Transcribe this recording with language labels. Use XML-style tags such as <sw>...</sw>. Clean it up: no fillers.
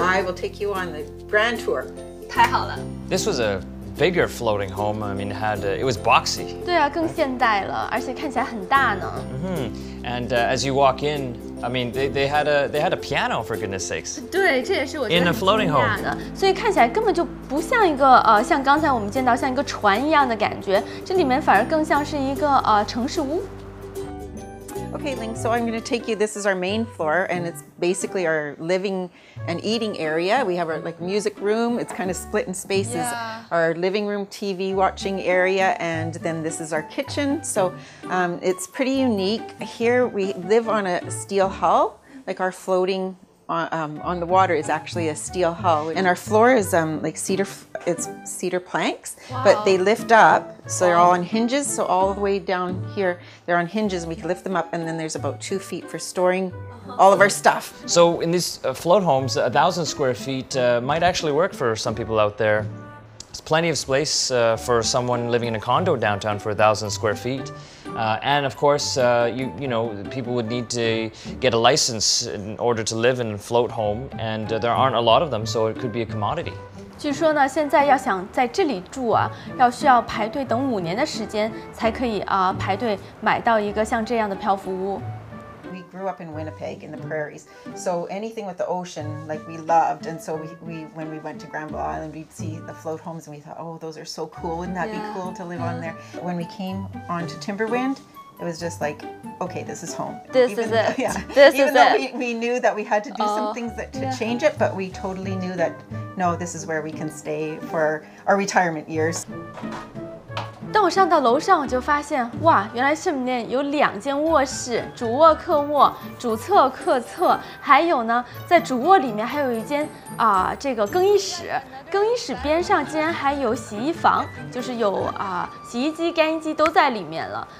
<en>I will take you on the grand tour.</en> <zh>太好了。</zh> <en>This was a bigger floating home. I mean, it was boxy.</en> <zh>对啊，更现代了，而且看起来很大呢。</zh> <en>And as you walk in, I mean, they had a piano, for goodness sakes.</en> <zh>对，这也是我觉得很惊讶的。</zh> <en>In a floating home.</en> <zh>所以看起来根本就不像一个像刚才我们见到像一个船一样的感觉，这里面反而更像是一个城市屋。</zh> <en>Okay, Ling, so I'm going to take you. This is our main floor, and it's basically our living and eating area. We have our like music room. It's kind of split in spaces. Yeah. Our living room TV watching area, and then this is our kitchen. So it's pretty unique. Here we live on a steel hull, like our floating on the water is actually a steel hull. And our floor is like cedar, it's cedar planks, wow. But they lift up. So they're all on hinges. So all the way down here, they're on hinges and we can lift them up. And then there's about 2 feet for storing all of our stuff. So in these float homes, 1,000 square feet might actually work for some people out there. It's plenty of space for someone living in a condo downtown for 1,000 square feet. And of course, you know, people would need to get a license in order to live in a float home, and there aren't a lot of them, so it could be a commodity.</en> <zh>据说呢，现在要想在这里住啊，要需要排队等5年的时间才可以排队买到一个像这样的漂浮屋。</zh> <en>We grew up in Winnipeg in the prairies, so anything with the ocean, like we loved. And so we when we went to Granville Island, we'd see the float homes and we thought, oh, those are so cool. Wouldn't that yeah. be cool to live on there? When we came onto Timberwind, it was just like, okay, this is home. This even, is it. Yeah, this even is though it. We knew that we had to do some things that, to yeah. change it, but we totally knew that, no, this is where we can stay for our retirement years.</en> <zh>当我上到楼上，我就发现，哇，原来这里面有2间卧室，主卧、客卧、主厕、客厕，还有呢，在主卧里面还有一间这个更衣室，更衣室边上竟然还有洗衣房，就是有洗衣机、干衣机都在里面了。</zh>